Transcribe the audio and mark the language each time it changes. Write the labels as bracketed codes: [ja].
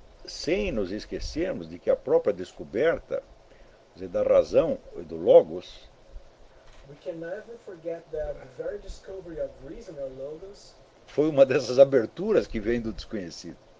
[pt] Sem nos esquecermos de que a própria descoberta, quer dizer, da razão e do logos, [en] we can never forget that the very discovery of reason or logos [pt] foi uma dessas aberturas que vem do desconhecido.